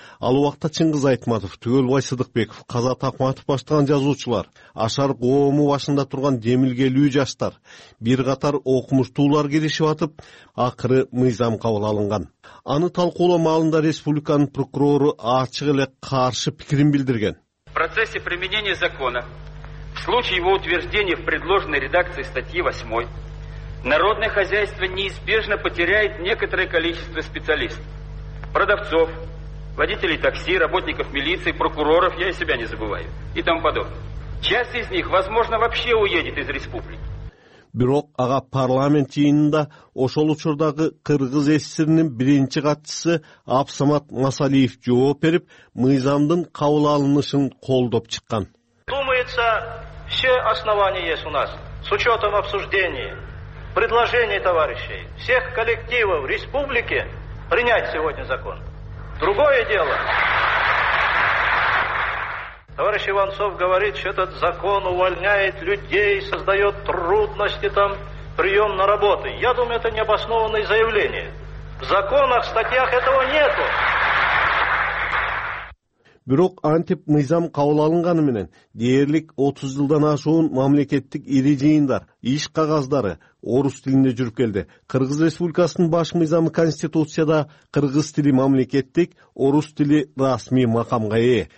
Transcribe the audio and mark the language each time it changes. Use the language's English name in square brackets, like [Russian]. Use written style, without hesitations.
[Kyrgyz] Ал убакта Чыңгыз Айтматов, Түгөлбай Сыдыкбеков, Казат Акматов баштаган жазуучулар, ашар коому башында турган демилгелүү жаштар, бир катар окумуштуулар киришип атып, акыры мыйзам кабыл алынган. Аны талкуулоо маалында республиканын прокурору ачык эле каршы пикирин билдирген. [Russian] В процессе применения закона, в случае его утверждения в предложенной редакции статьи 8, народное хозяйство неизбежно потеряет некоторое количество специалистов. Продавцов, водителей такси, работников милиции, прокуроров, я и себя не забываю, и тому подобное. Часть из них, возможно, вообще уедет из республики. [Kyrgyz] Бирок ага парламент жыйынында ошол учурдагы Кыргыз СССРнин биринчи катчысы Абсамат Масалиев жооп берип, мыйзамдын кабыл алынышын колдоп чыккан. [Russian] Думается, все основания есть у нас, с учетом обсуждения, предложений товарищей, всех коллективов республики принять сегодня закон. Другое дело. Товарищ Иванцов говорит, что этот закон увольняет людей, создает трудности там, прием на работу. Я думаю, это необоснованное заявление. В законах, в статьях этого нету. [Kyrgyz] Бирок антип мыйзам кабыл алынганы менен дээрлик 30 жылдан ашуун мамлекеттик ири жыйындар, иш кагаздары орус тилинде жүрүп келди. Кыргыз Республикасынын баш мыйзамы конституцияда кыргыз тили мамлекеттик, орус тили расмий макамга ээ.